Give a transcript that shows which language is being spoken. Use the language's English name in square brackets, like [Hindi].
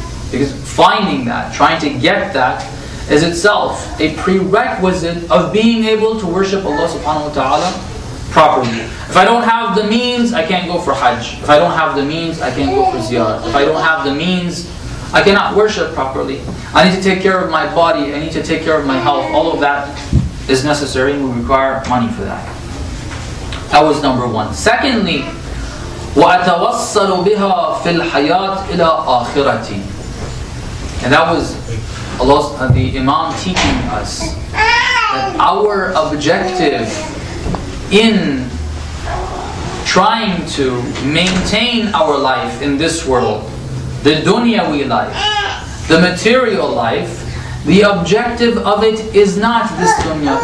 [English] Because finding that, trying to get that, is itself a prerequisite of being able to worship Allah subhanahu wa ta'ala properly. If I don't have the means, I can't go for hajj. If I don't have the means, I can't go for ziyarah. If I don't have the means, I cannot worship properly. I need to take care of my body, I need to take care of my health, all of that is necessary and we require money for that. That was number one. Secondly, [Arabic] وَأَتَوَصَّلُ بِهَا فِي الْحَيَاةِ إِلَىٰ آخِرَةِ. [English] And that was the Imam teaching us that our objective in trying to maintain our life in this world, the dunyawi life, the material life, the objective of it is not this dunya.